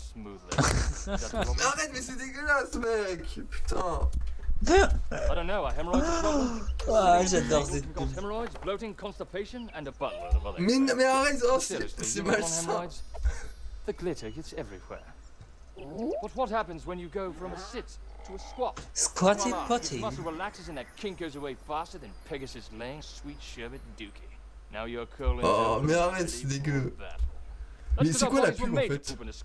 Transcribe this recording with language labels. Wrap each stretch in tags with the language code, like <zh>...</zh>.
<fr>Mais arrête, mais c'est dégueulasse, mec. Putain.</fr> <en>I don't know, a hemorrhoid problem.</en> <fr>Ah, j'adore cette pub.</fr> <en>Hemorrhoids, bloating, constipation and a butt load of other.</en> <fr>Mais arrête, oh, c'est malsain.</fr> <en>The glitter gets everywhere. But what happens when you go from a sit to a squat? Squatty potty. The muscle relaxes and that kink goes away faster than Pegasus laying sweet sherbet dookie. Now you're curling.</en> <fr>Oh, mais arrête, c'est dégueu. Mais c'est quoi la pub en fait?</fr>